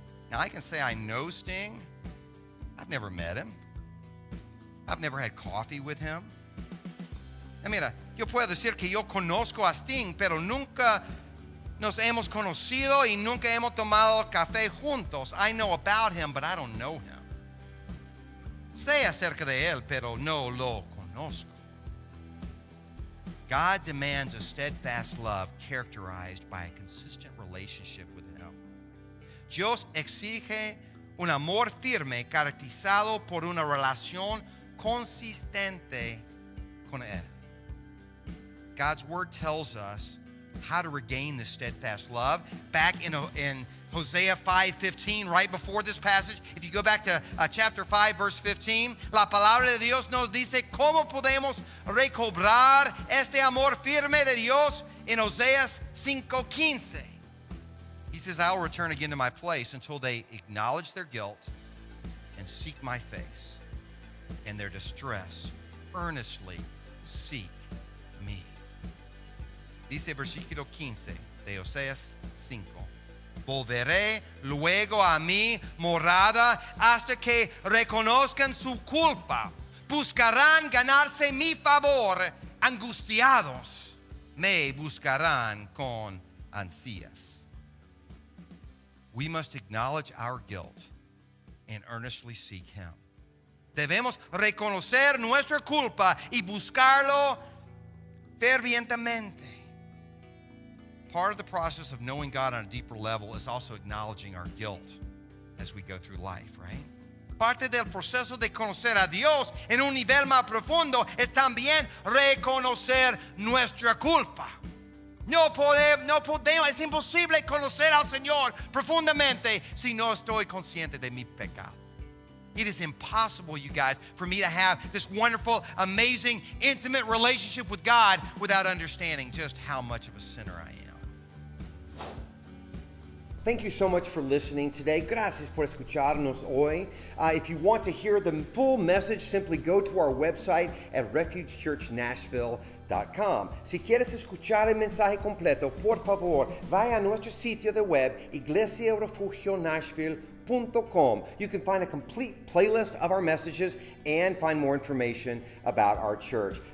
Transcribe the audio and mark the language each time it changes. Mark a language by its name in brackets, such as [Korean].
[English] Now, I can say I know Sting. I've never met him. I've never had coffee with him. [Spanish] Mira, yo puedo decir que yo conozco a Sting, pero nunca nos hemos conocido y nunca hemos tomado café juntos. [English] I know about him, but I don't know him. [Spanish] Sé acerca de él, pero no lo conozco. [English] God demands a steadfast love characterized by a consistent relationship with him. [Spanish] Dios exige un amor firme caracterizado por una relación consistente con él. [English] God's word tells us how to regain this steadfast love. Back in Hosea 5:15, right before this passage, if you go back to chapter 5, verse 15, [Spanish] la palabra de Dios [English] nos dice cómo podemos recobrar este amor firme de Dios in Hosea 5:15. He says, I'll return again to my place until they acknowledge their guilt and seek my face, and their distress earnestly seek me. [Spanish] Dice versículo 15 de Oseas 5. Volveré luego a mi morada hasta que reconozcan su culpa. Buscarán ganarse mi favor. Angustiados me buscarán con ansias. [English] We must acknowledge our guilt and earnestly seek him. [Spanish] Debemos reconocer nuestra culpa y buscarlo fervientemente. [English] Part of the process of knowing God on a deeper level is also acknowledging our guilt as we go through life, right? [Spanish] Parte del proceso de conocer a Dios en un nivel más profundo es también reconocer nuestra culpa. No podemos, es imposible conocer al Señor profundamente si no estoy consciente de mi pecado. [English] It is impossible, you guys, for me to have this wonderful, amazing, intimate relationship with God without understanding just how much of a sinner I am. Thank you so much for listening today. [Spanish] Gracias por escucharnos hoy. [English] If you want to hear the full message, simply go to our website at refugechurchnashville.com. [Spanish] Si quieres escuchar el mensaje completo, por favor, vaya a nuestro sitio de web, iglesiarefugionashville.com. [English] You can find a complete playlist of our messages and find more information about our church.